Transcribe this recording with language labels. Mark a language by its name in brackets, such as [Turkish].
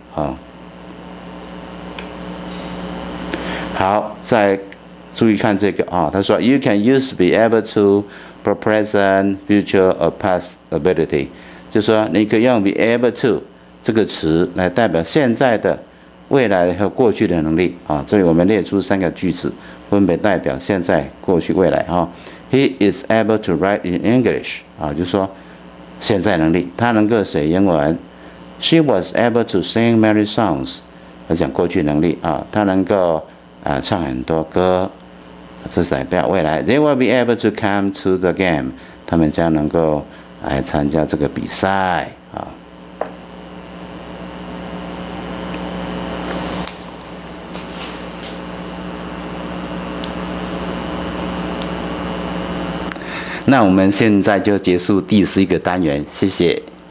[Chinese] 哦，好，再注意看这个啊、哦，他说 [English] you can use be able to for present, future, or past ability， [Chinese] 就说你可以用 be able to 这个词来代表现在的、未来和过去的能力啊、哦。这里我们列出三个句子，分别代表现在、过去、未来哈。哦， [English] He is able to write in English. [Chinese] 啊，就是说现在能力，他能够写英文。 [English] She was able to sing many songs. [Chinese] 他讲过去能力啊，他能够啊唱很多歌，这是代表未来。 [English] They will be able to come to the game. [Chinese] 他们将能够来参加这个比赛啊。那我们现在就结束第11个单元，谢谢。